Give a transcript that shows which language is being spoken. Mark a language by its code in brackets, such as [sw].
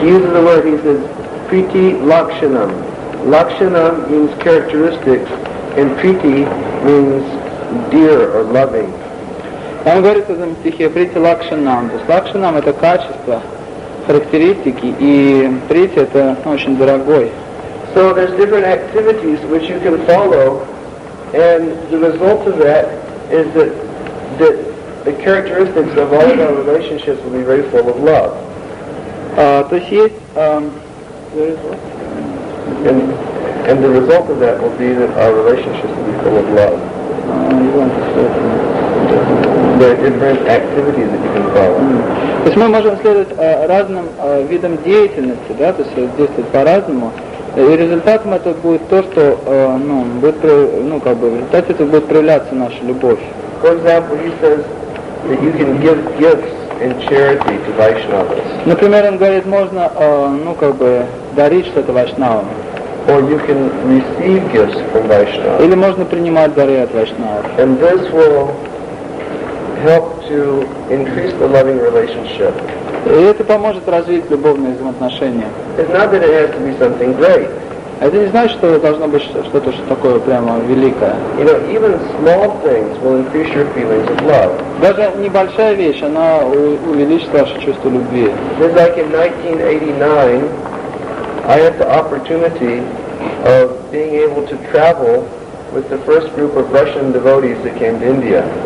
[en] He uses the word, he says, priti lakshanam. Lakshanam means characteristics, and priti means dear or loving. [ru] Он говорит в этом стихе priti lakshanam. То есть lakshanam — это качество, характеристики, и priti — это очень дорогой. [en] So there's different activities which you can follow, and the result of that is that, that the characteristics of all of our relationships will be very full of love. [ru] То есть есть [en] and the result of that will be that our relationships will be full of love. There are different activities that you can follow. [ru] То есть мы можем следовать разным видам деятельности, да, то есть действовать по-разному, и результатом это будет то, что, ну, будет, ну, как бы, в результате это будет проявляться наша любовь. [en] For example, he says that you can give gifts in charity to Vaishnavas. [ru] Например, он говорит, можно, ну, как бы, дарить что-то Вайшнавам. [en] Or you can receive gifts from Vaishnavas. [ru] Или можно принимать дары от Вайшнавов. [en] And this will help to increase the loving relationship. [ru] И это поможет развить любовные взаимоотношения. [en] It's not that it has to be something great. [ru] Это не значит, что должно быть что-то такое прямо великое. [en] You know, even small things will increase your feelings of love. [ru] Даже небольшая вещь, она увеличит ваше чувство любви. [en] Just like in 1989, I had the opportunity of being able to travel with the first group of Russian devotees that came to India.